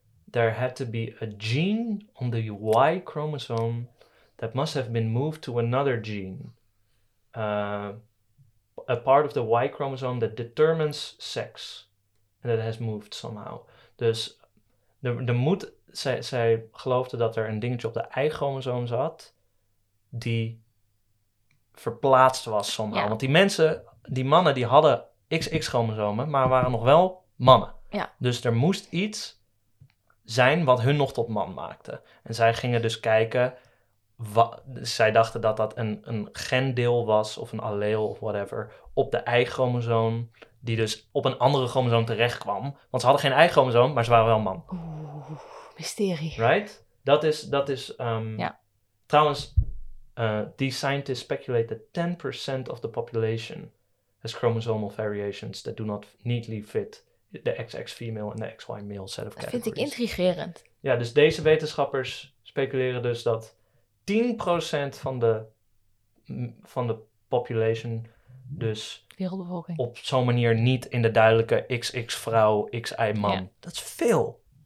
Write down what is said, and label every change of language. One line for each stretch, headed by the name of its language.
English: There had to be a gene on the Y chromosome that must have been moved to another gene. A part of the Y chromosome that determines sex. And that has moved somehow.
Dutch: Dus de moed, zij geloofde dat er een dingetje op de Y chromosoom zat. Die verplaatst was somehow. Ja. Want die mensen, die mannen, die hadden XX chromosomen. Maar waren nog wel mannen. Ja. Dus er moest iets... zijn wat hun nog tot man maakte. En zij gingen dus kijken... zij dachten dat dat een gendeel was... of een alleel of whatever... op de Y-chromosoom... die dus op een andere chromosoom terechtkwam. Want ze hadden geen Y-chromosoom, maar ze waren wel man. Oeh, mysterie.
English: Right?
Dutch: Dat is ja. Trouwens...
English: these scientists speculate that 10% of the population... has chromosomal variations that do not neatly fit... de XX female en de XY male set of
Dutch: dat
English: categories.
Dutch: Dat vind ik intrigerend. Ja, dus deze wetenschappers speculeren dus dat 10% van de population, dus wereldbevolking, op zo'n manier niet in de duidelijke XX vrouw, XY man. Ja. Dat is veel.